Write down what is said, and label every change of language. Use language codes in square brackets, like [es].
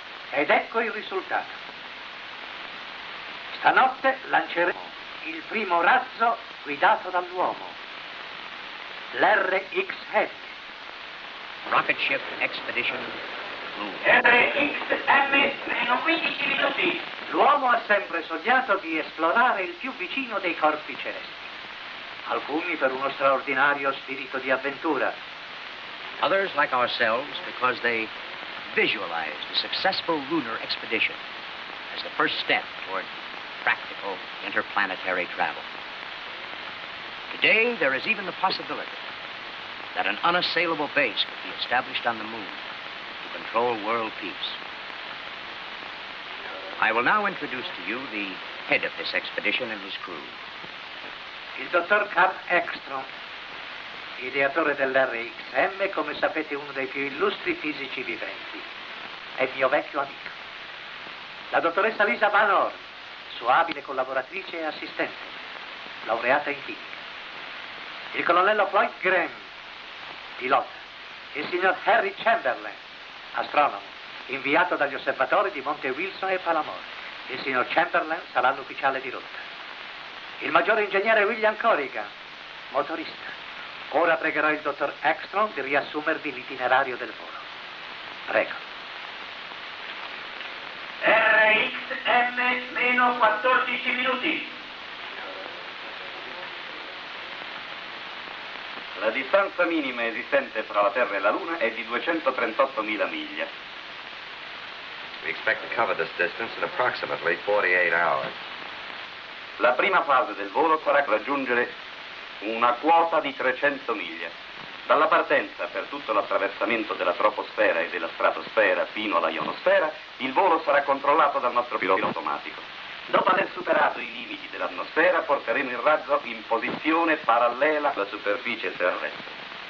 [it] Ed ecco il risultato. Stanotte lanceremo il primo razzo guidato dall'uomo, l'RX-Heavy. [en] Rocket Ship Expedition [it] Moon. RX-M-15 minuti. L'uomo ha sempre sognato di esplorare il più vicino dei corpi celesti. Alcuni per uno straordinario spirito di avventura. [en] Others like ourselves because they visualized a successful lunar expedition as the first step toward practical interplanetary travel. Today there is even the possibility that an unassailable base could be established on the moon to control world peace. I will now introduce to you the head of this expedition and his crew. [it] Il dottor Carl Ekstrom, ideatore dell'RXM, come sapete uno dei più illustri fisici viventi, è mio vecchio amico. La dottoressa Lisa Van Horn, sua abile collaboratrice e assistente, laureata in chimica. Il colonnello Floyd Graham, pilota. Il signor Harry Chamberlain, astronomo, inviato dagli osservatori di Monte Wilson e Palamore. Il signor Chamberlain sarà l'ufficiale di rotta. Il maggiore ingegnere William Corrigan, motorista. Ora pregherò il dottor Ekstrom di riassumervi l'itinerario del volo. Prego. RXM-14 minuti. La distanza minima esistente fra la Terra e la Luna è di 238.000 miglia. [en] We expect to cover this distance in approximately 48 hours. [it] La prima fase del volo sarà raggiungere una quota di 300 miglia. Dalla partenza per tutto l'attraversamento della troposfera e della stratosfera fino alla ionosfera, il volo sarà controllato dal nostro pilota automatico. Dopo aver superato i limiti dell'atmosfera, porteremo il razzo in posizione parallela alla superficie terrestre.